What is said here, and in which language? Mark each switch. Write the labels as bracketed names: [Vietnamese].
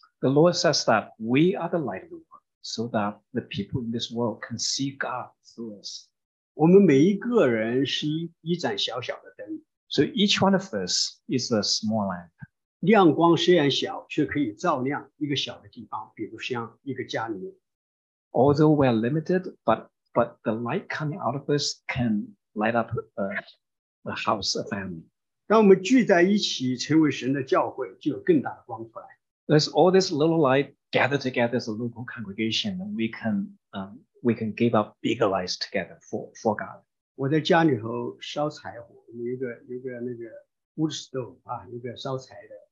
[English] the Lord says that we are the light of the world, so that the people in this world can see God through us. [Chinese] 我们每一个人是一盏小小的灯, [English] so each one of us is a small lamp. [Chinese] 亮光虽然小，却可以照亮一个小的地方，比如像一个家里面。Although [English] we are limited, but the light coming out of us can light up a house, a family. [Chinese] 当我们聚在一起，成为神的教会，就有更大的光出来。As [English] all this little light gathered together as a local congregation, we can give up bigger lights together for God. [Chinese] 我在家里头烧柴火，有一个 [English] wood stove [Chinese] 啊，一个烧柴的。